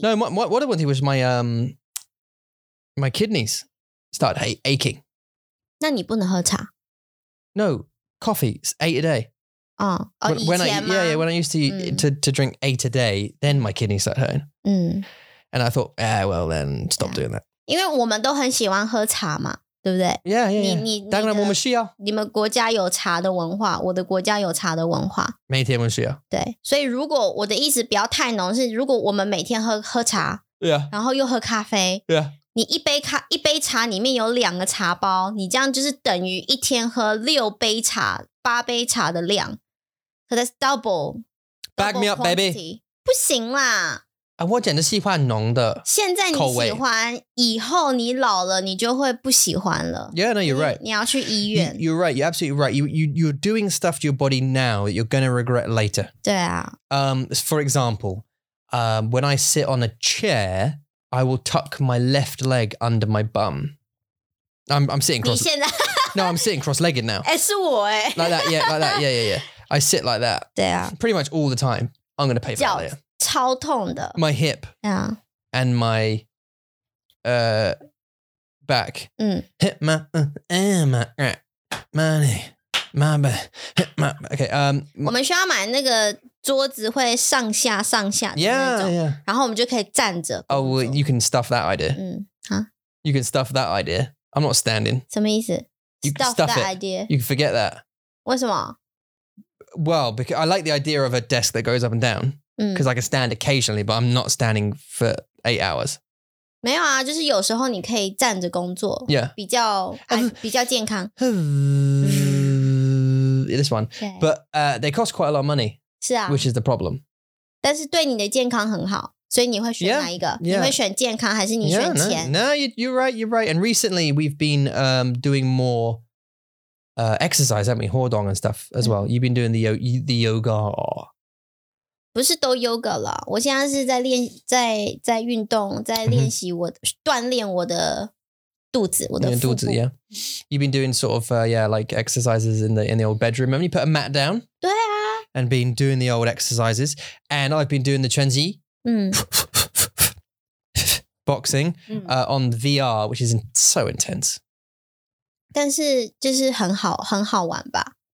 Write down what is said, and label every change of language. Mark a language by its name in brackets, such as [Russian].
[English] no what the 问题 was my kidneys started aching [Chinese] 那你不能喝茶? [English] No, coffee, it's eight a day. When I used to,、to drink eight a day, then my kidneys start hurting.、And I thought, then stop、doing that. [Chinese] 因为我们都很喜欢喝茶嘛。对不对 yeah. 当然我们需要你们国家有茶的文化我的国家有茶的文化每天我们需要对所以如果我的意思不要太浓是如果我们每天 喝茶、 [English] yeah. [Chinese] 然后又喝咖啡、 [English] yeah. [Chinese] 你一杯茶里面有两个茶包你这样就是等于一天喝六杯茶八杯茶的量 [English] so that's double back me up baby [Chinese] 不行啦啊、我简直喜欢浓的口味现在你喜欢以后你老了你就会不喜欢了 [English] Yeah, no, you're right [Chinese] 你要去医院 [English] You're right, you're absolutely right You're doing stuff to your body now that you're going to regret later [Chinese] 对啊、 [English] For example、When I sit on a chair I will tuck my left leg under my bum I'm sitting cross [Chinese] 你现在 [English] No, I'm sitting cross-legged now [Chinese] 诶是我诶 [English] Like that, yeah, like that, yeah, yeah, yeah I sit like that [Chinese] 对啊 [English] Pretty much all the time I'm going to pay for that later [Chinese] 超痛的 [English] My hip Yeah And my Back Hip Okay [Chinese] 我们需要买那个桌子会上下上下的那种 [English] Yeah, yeah [Chinese] 然后我们就可以站着 [English] Oh, well, you can stuff that idea 嗯、 You can stuff that idea I'm not standing [Chinese] 什么意思 [English] You can stuff that、 it. idea You can forget that [Chinese] 为什么 [English] Well, because I like the idea of a desk that goes up and downBecause I can stand occasionally, but I'm not standing for 8 hours. [Chinese] 没有啊，就是有时候你可以站着工作。 [English] Yeah. [Chinese] 比较健康。 [English] This one. But they cost quite a lot of money. [Chinese] 是啊。 [English] Which is the problem. [Chinese] 但是对你的健康很好，所以你会选哪一个？ [English] Yeah. [Chinese] 你会选健康还是你选钱？ [English] Yeah, no, you're right, you're right. And recently we've been doing more... exercise, haven't we? 活动 and stuff as well. You've been doing the yoga. [Chinese] 不是都 yoga 了，我现在是在练，在运动，在练习我、mm-hmm. 锻炼我的肚子，我的腹部肚子 ，yeah. [English] You've been doing sort of like exercises in the old bedroom. Remember you put a mat down? [Chinese] 对啊。 [English] And been doing the old exercises, and I've been doing the Chenzi, boxing, on VR, which is so intense. [Chinese] 但是就是很好，很好玩吧。